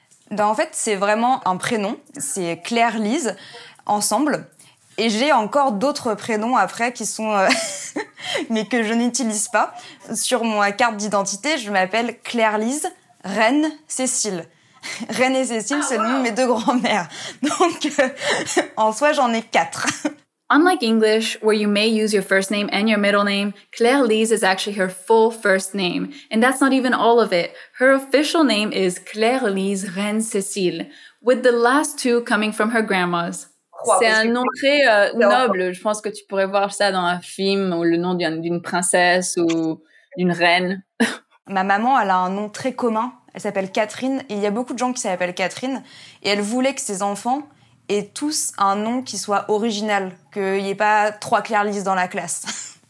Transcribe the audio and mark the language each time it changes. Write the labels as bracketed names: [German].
[French] Ben, en fait, c'est vraiment un prénom. C'est Claire-Lise ensemble. Et j'ai encore d'autres prénoms après qui sont... mais que je n'utilise pas. Sur ma carte d'identité, je m'appelle Claire-Lise Reine Cécile. Reine et Cécile, c'est le nom de mes deux grands-mères. Donc, en soi, j'en ai quatre. [English] Unlike English, where you may use your first name and your middle name, Claire-Lise is actually her full first name. And that's not even all of it. Her official name is Claire-Lise Reine Cécile, with the last two coming from her grandma's. [French] C'est un nom très noble. Je pense que tu pourrais voir ça dans un film ou le nom d'une princesse ou d'une reine. Ma maman, elle a un nom très commun. Elle s'appelle Catherine. Et il y a beaucoup de gens qui s'appellent Catherine. Et elle voulait que ses enfants aient tous un nom qui soit original, qu'il n'y ait pas trois Claire-Lise dans la classe.